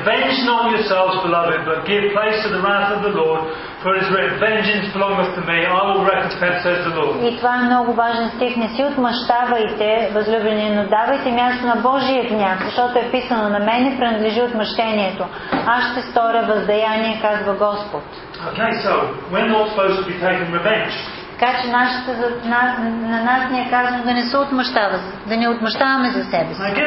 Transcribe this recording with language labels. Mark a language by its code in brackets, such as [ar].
[en] Avenge not yourselves, beloved, but give place to the wrath of the Lord. For it is written, vengeance belongeth to me. I will recompense, says the Lord. [bg] И това е много важен стих. Не си отмъщавайте, възлюбени, но давайте място на Божия гняв, защото е писано, на мене принадлежи отмъщението. Аз ще сторя въздаяние, казва Господ. [en] Okay, so we're not supposed to be taking revenge. [bg] Така че на нас ни е казано да не се отмъщава, да не отмъщаваме за себе си.